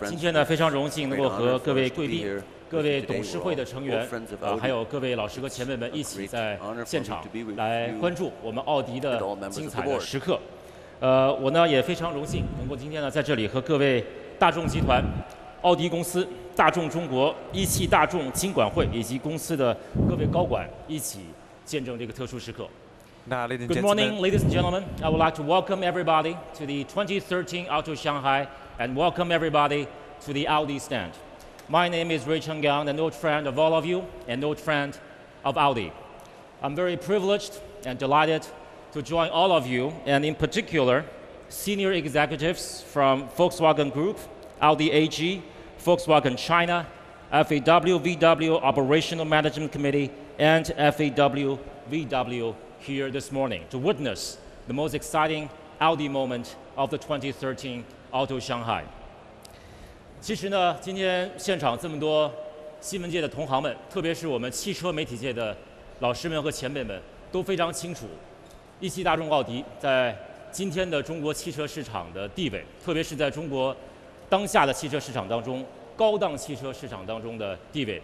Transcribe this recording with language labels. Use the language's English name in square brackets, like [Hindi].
[Chinese] 今天呢非常荣幸能够和各位贵宾、各位董事会的成员，还有各位老师和前辈们一起在现场来关注我们奥迪的精彩的时刻。我呢也非常荣幸能够今天呢在这里和各位大众集团、奥迪公司、大众中国、一汽大众金管会以及公司的各位高管一起见证这个特殊时刻。 [English] Good morning, ladies and gentlemen. I would like to welcome everybody to the 2013 Auto Shanghai and welcome everybody to the Audi stand. My name is Richard Gang, an old friend of all of you and an old friend of Audi. I'm very privileged and delighted to join all of you and in particular senior executives from Volkswagen Group, Audi AG, Volkswagen China, FAW VW Operational Management Committee and FAW VW here this morning to witness the most exciting Audi moment of the 2013 Auto Shanghai. [Chinese] 其实呢，今天现场这么多新闻界的同行们，特别是我们汽车媒体界的老师们和前辈们，都非常清楚一汽大众奥迪在今天的中国汽车市场的地位，特别是在中国当下的汽车市场当中，高档汽车市场当中的地位。